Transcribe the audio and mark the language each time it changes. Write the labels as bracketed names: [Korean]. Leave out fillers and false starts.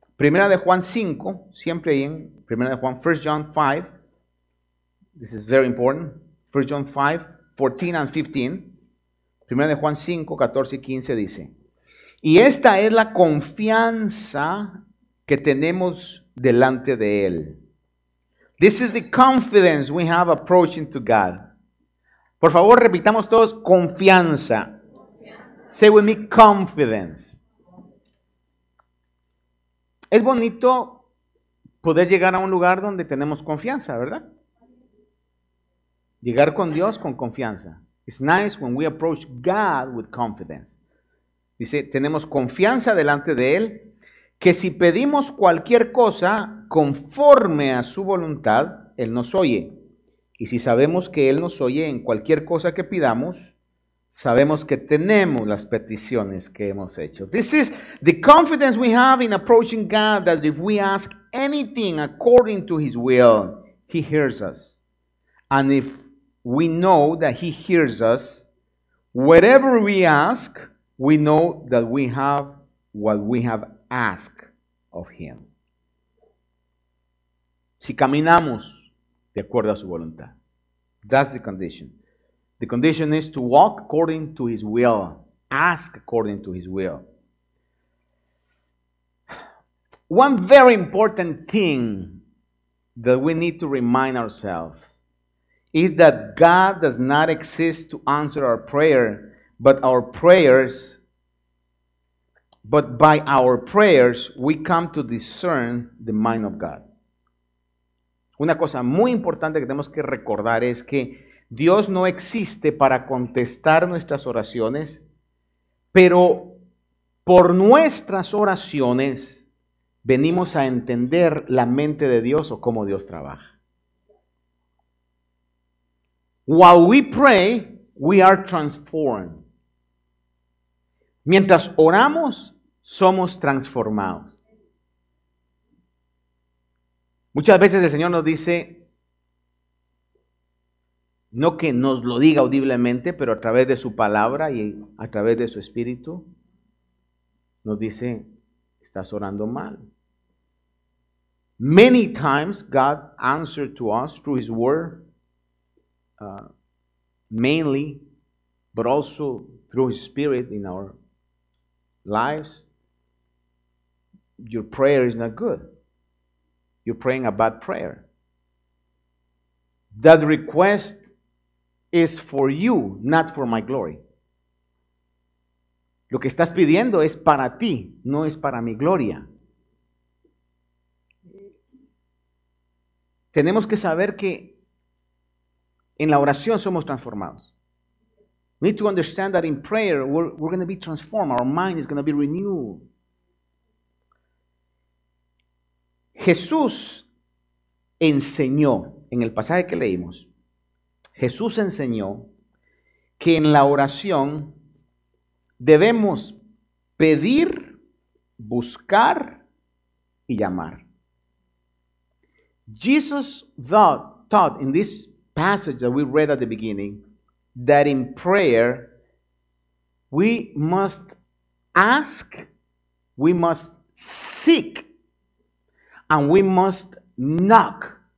[Spanish] Primera de Juan 5, siempre ahí en Primera de Juan, 1 John 5. [English] This is very important. 1 John 5, 14 and 15. [Spanish] Primera de Juan 5, 14 y 15 dice: y esta es la confianza que tenemos delante de Él. [English] This is the confidence we have approaching to God. [Spanish] Por favor, repitamos todos, confianza. [English] Say with me, confidence. [Spanish] Es bonito poder llegar a un lugar donde tenemos confianza, ¿verdad? Llegar con Dios con confianza. [English] It's nice when we approach God with confidence. [Spanish] Dice, tenemos confianza delante de Él, que si pedimos cualquier cosa conforme a su voluntad, Él nos oye. Y si sabemos que Él nos oye en cualquier cosa que pidamos, sabemos que tenemos las peticiones que hemos hecho. [English] This is the confidence we have in approaching God, that if we ask anything according to His will, He hears us. And if we know that He hears us, whatever we ask, we know that we have what we have asked of Him. [Spanish] Si caminamos de acuerdo a su voluntad. [English] That's the condition. The condition is to walk according to His will. Ask according to His will. One very important thing that we need to remind ourselves is that God does not exist to answer our prayer, but by our prayers, we come to discern the mind of God. [Spanish] Una cosa muy importante que tenemos que recordar es que Dios no existe para contestar nuestras oraciones, pero por nuestras oraciones venimos a entender la mente de Dios o cómo Dios trabaja. [English] While we pray, we are transformed. [Spanish] Mientras oramos, somos transformados. Muchas veces el Señor nos dice, no que nos lo diga audiblemente, pero a través de su palabra y a través de su espíritu, nos dice, estás orando mal. [English] Many times God answered to us through His word, mainly, but also through His spirit in our lives. Your prayer is not good. You're praying a bad prayer. That request is for you, not for my glory. [Spanish] Lo que estás pidiendo es para ti, no es para mi gloria. Tenemos que saber que en la oración somos transformados. [English] We need to understand that in prayer we're going to be transformed. Our mind is going to be renewed. [Spanish] Jesús enseñó, en el pasaje que leímos, Jesús enseñó que en la oración debemos pedir buscar y llamar. [English] Jesus taught in this passage that we read at the beginning that in prayer we must ask, we must seek, and we must knock.